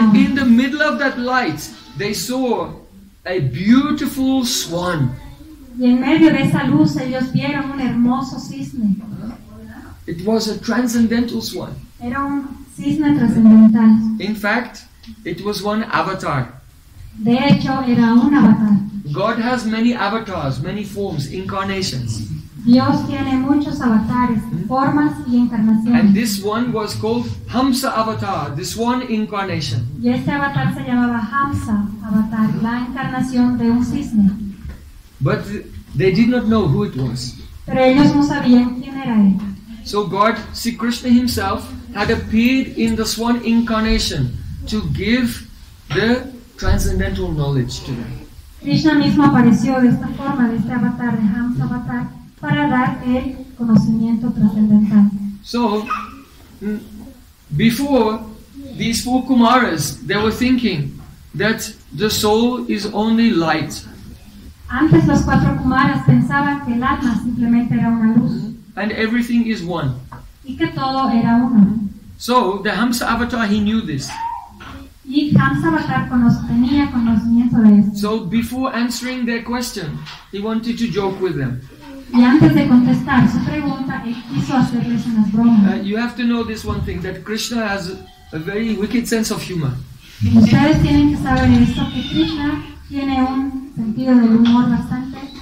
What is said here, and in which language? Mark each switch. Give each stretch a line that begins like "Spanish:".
English: And in the middle of that light, they saw a beautiful swan.
Spanish: Y en medio de esa luz ellos vieron un hermoso cisne.
English: It was a transcendental swan.
Spanish: Era un cisne transcendental.
English: In fact, it was one avatar.
Spanish: De hecho, era un avatar.
English: God has many avatars, many forms, incarnations.
Spanish: Dios tiene muchos avatares, formas y encarnaciones.
English: And this one was called Hamsa avatar, the swan incarnation.
Spanish: Y este avatar se llamaba Hamsa avatar, la encarnación de un cisne.
English: But they did not know who it was.
Spanish: Pero ellos no sabían quién era él.
English: So God, Sri Krishna himself, had appeared in the swan incarnation to give the transcendental knowledge to them.
Spanish: Krishna mismo apareció de esta forma, de este avatar, de Hamsa avatar, para dar el conocimiento trascendental.
English: So, before these four Kumaras, they were thinking that the soul is only light.
Spanish: Antes los cuatro Kumaras pensaban que el alma simplemente era una luz.
English: And everything is one.
Spanish: Y que todo era uno.
English: So, the Hamsa avatar, he knew this.
Spanish: Y Hamsa avatar tenía conocimiento de esto.
English: So, before answering their question, he wanted to joke with them.
Spanish: Y antes de contestar su pregunta, él quiso hacerles unas bromas.
English: You have to know this one thing, that Krishna has a very wicked sense of humor.
Spanish: Y ustedes tienen que saber esto, que Krishna tiene un sentido del humor bastante.